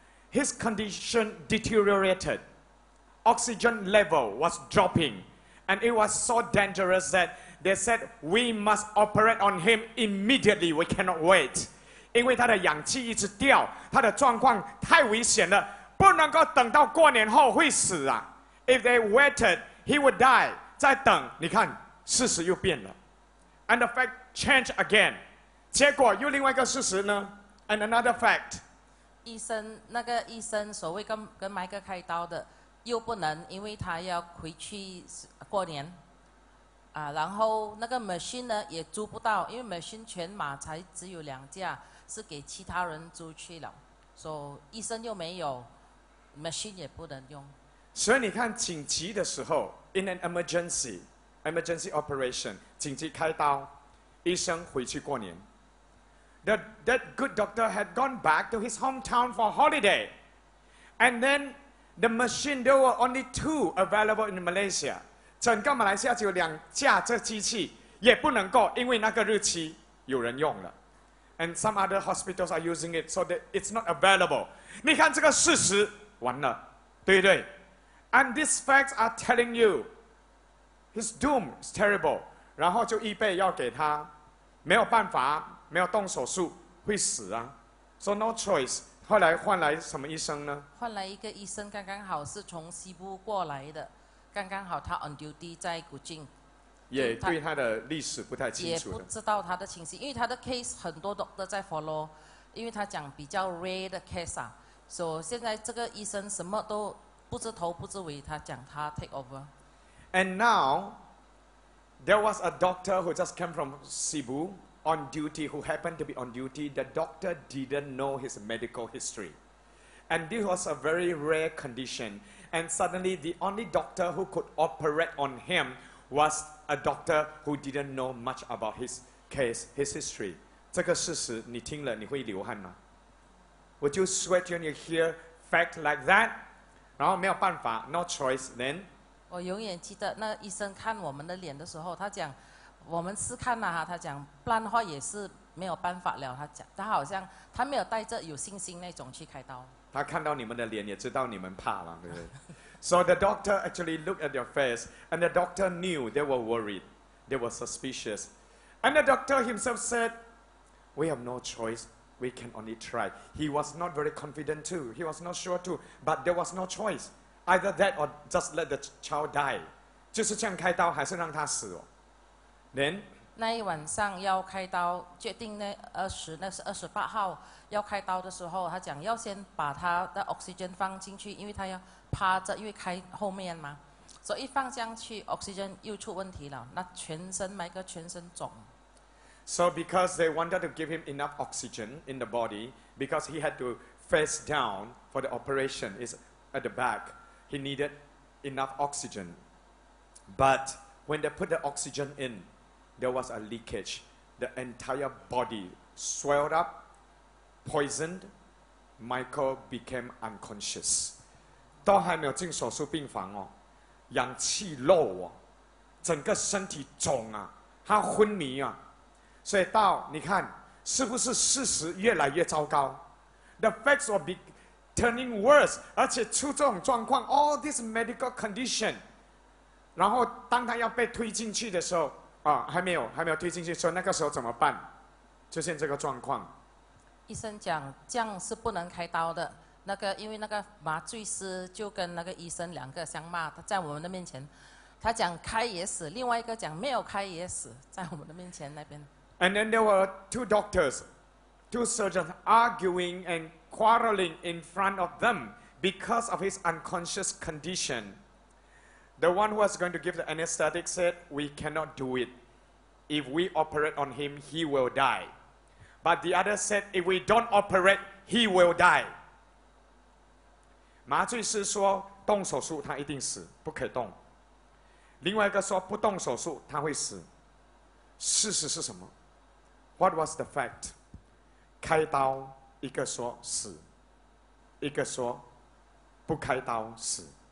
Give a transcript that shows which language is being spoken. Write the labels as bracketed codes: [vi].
[en] His condition deteriorated. Oxygen level was dropping, and it was so dangerous that they said, we must operate on him immediately, we cannot wait. [zh] 因为他的氧气一直掉, 他的状况太危险了, 不能够等到过年后会死啊。 [en] If they waited, he would die. [zh] 再等, 你看, 事实又变了。 [en] And the fact changed again. [zh] 结果又另外一个事实呢, [en] and another fact. [zh] 医生, 那个医生, 所谓跟麦克开刀的, 又不能, 因为他要回去过年。然后那个machine呢, 也租不到, 因为machine全马才只有两架, 是给其他人租去了, 所以医生又没有, machine也不能用。所以你看紧急的时候, [en] in an emergency, emergency operation, [zh] 紧急开刀, 医生回去过年。 [en] That good doctor had gone back to his hometown for holiday. And then the machine, there were only two available in Malaysia. [zh] 整个马来西亚只有两架这机器, 也不能够, 因为那个日期有人用了。 [en] And some other hospitals are using it so that it's not available. [zh] 你看这个事实, 完了, 对不对? [en] And these facts are telling you, his doom is terrible. [zh] 然后就预备要给他, 没有办法, 没有动手术, 会死啊。 [en] So no choice. [zh] 后来换来什么医生呢? 换来一个医生, 刚刚好是从西部过来的, 刚刚好他 on duty 在古晋, 也对他的历史不太清楚了。也不知道他的情形, 因为他的 case 很多 doctor 在 follow, 因为他讲比较 rare 的 case 啊, 所以现在这个医生什么都不知头不知尾, 他讲他 take over. [en] And now, there was a doctor who just came from Cebu, on duty, who happened to be on duty. The doctor didn't know his medical history. And this was a very rare condition. And suddenly, the only doctor who could operate on him was a doctor who didn't know much about his case, his history. [zh] 这个事实你听了你会流汗吗? [en] Would you sweat when you hear fact like that? [zh] 然后没有办法, [en] no choice then. [zh] 我永远记得那医生看我们的脸的时候, 他讲, 我们试看啊, 他讲, 不然的话也是没有办法了, 他讲, 他好像, 他没有带着有信心那种去开刀。他看到你们的脸, 也知道你们怕了, 对不对? [en] So the doctor actually looked at your face, and the doctor knew they were worried, they were suspicious. And the doctor himself said, we have no choice, we can only try. He was not very confident too, he was not sure too, but there was no choice. Either that or just let the child die. [zh] 就是这样开刀, 还是让他死哦。 [en] Then, [zh] 那一晚上要开刀, 决定那20, 那是28号, 要开刀的时候, 他讲要先把他的 oxygen 放进去, 因为他要趴着, 因为开后面嘛, 所以放上去, oxygen 又出问题了, 那全身买个, 全身肿。 [en] So because they wanted to give him enough oxygen in the body, because he had to face down for the operation, it's at the back, he needed enough oxygen. But when they put the oxygen in, there was a leakage. The entire body swelled up, poisoned. Michael became unconscious. [zh] 都还没有进手术病房哦, 氧气漏哦, 整个身体肿啊, 他昏迷啊。所以到你看, 是不是事实越来越糟糕? [en] The facts were turning worse, [zh] 而且出这种状况, [en] all this medical condition. [zh] 然后当他要被推进去的时候, 还没有推进去说那个时候怎么办, 出现这个状况。医生讲这样是不能开刀的,那个因为那个麻醉师就跟那个医生两个相骂，他在我们的面前，他讲开也死，另外一个讲没有开也死，在我们的面前那边。 [en] And then there were two doctors, two surgeons arguing and quarreling in front of them because of his unconscious condition. The one who was going to give the anesthetic said, "We cannot do it. If we operate on him, he will die." But the other said, "If we don't operate, he will die." [zh] 麻醉师说动手术他一定死，不可以动。另外一个说不动手术他会死。事实是什么？ [en] What was the fact? [zh] 开刀，一个说死，一个说不开刀死。